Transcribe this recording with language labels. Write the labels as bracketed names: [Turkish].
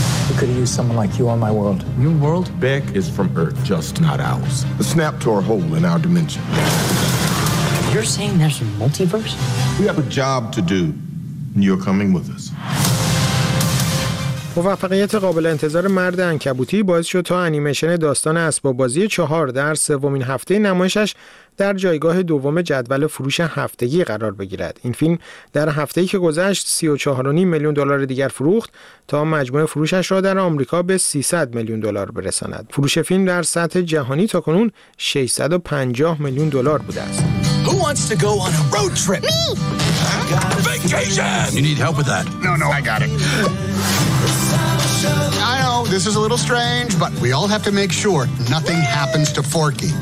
[English] I could use someone like you on my world. New world? Beck is from Earth, just not ours. A snap to our hole in our dimension. You're saying there's a multiverse? We have a job to do, and you're coming with us. [Persian] موفقیت قابل انتظار مرد عنکبوتی باعث شد تا انیمیشن داستان اسباب بازی 4 در سومین هفته نمایشش در جایگاه دوم جدول فروش هفتگی قرار بگیرد. این فیلم در هفته‌ای که گذشت 34.5 میلیون دلار دیگر فروخت تا مجموع فروشش را در آمریکا به 300 میلیون دلار برساند. فروش فیلم در سطح جهانی تا کنون 650 میلیون دلار بوده است. [English] Who wants to go on a road trip? Me. Vacation. You need help with that? No, I got it. I know this is a little strange, but we all have to make sure nothing happens to Forky.